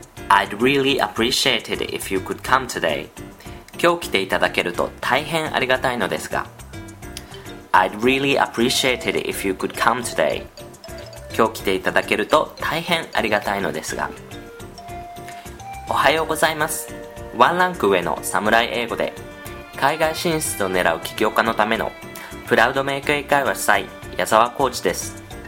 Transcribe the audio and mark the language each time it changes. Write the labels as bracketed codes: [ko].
[en] I'd really appreciate it if you could come today. [ja] 今日来ていただけると大変ありがたいのですが。 [en] I'd really appreciate it if you could come today. [ja] 今日来ていただけると大変ありがたいのですが。おはようございます。ワンランク上のサムライ英語で、海外進出を狙う起業家のためのプラウドメイク英会話主催、矢沢コーチです。